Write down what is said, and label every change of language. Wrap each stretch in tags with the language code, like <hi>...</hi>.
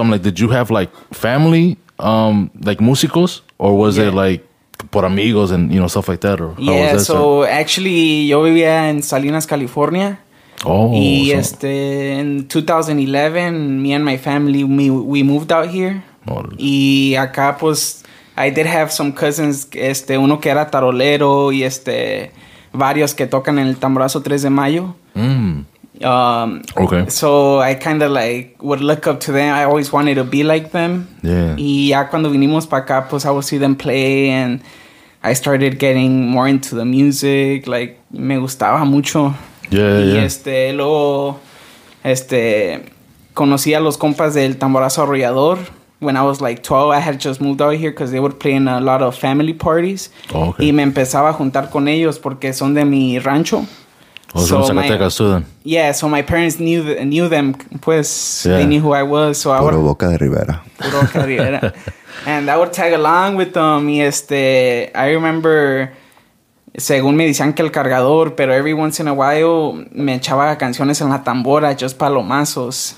<en>I'm like, did you have like family, like músicos, or was it like</en> <es>por amigos</es> <en>and you know stuff like that? Or yeah, that so start? Actually,</en> <es>yo vivía en Salinas, California.</es> <en>Oh, y so. In 2011, me and my family we moved out here. Oh.</en> <es>Y acá pues,</es> <en>I did have some cousins,</en> <es>uno que era tarolero y varios que tocan en el tamborazo 3 de mayo.</es> <en>Mm. Okay. So I kind of like would look up to them. I always wanted to be like them. Yeah.</en> <es>Y ya cuando vinimos para acá, pues</es> <en>I would see them play and I started getting more into the music.</en> <es>Like, me gustaba mucho.</es> <en>Yeah.</en> <es>Y luego, conocí a los compas del tamborazo arrollador.</es> <en>When I was like 12, I had just moved out here because they would play in a lot of family parties. Okay.</en> <es>Y me empezaba a juntar con ellos porque son de mi rancho.</es> <en>Was so Zacatecas my, too, then? Yeah, so my parents knew them, pues, yeah. They knew who I was. So</en> <es>Puro Boca de Rivera.</es> <en>Puro Boca de Rivera. And I would tag along with them.</en> <es>Y</es> <en>I remember,</en> <es>según me decían que el cargador, pero</es> <en>every once in a while,</en> <es>me echaba canciones en la tambora, just palomazos.</es>